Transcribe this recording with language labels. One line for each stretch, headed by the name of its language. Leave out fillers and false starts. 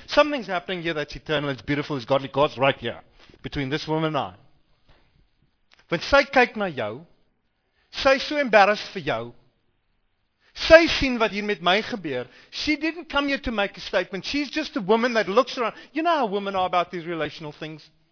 English: Something's happening here that's eternal, it's beautiful, it's godly, God's right here, between this woman and I.
Afrikaans: Want sy kyk na jou, sy is so embarrassed vir jou, sy sien wat hier met my gebeur.
English: She didn't come here to make a statement. She's just a woman that looks around. You know how women are about these relational things.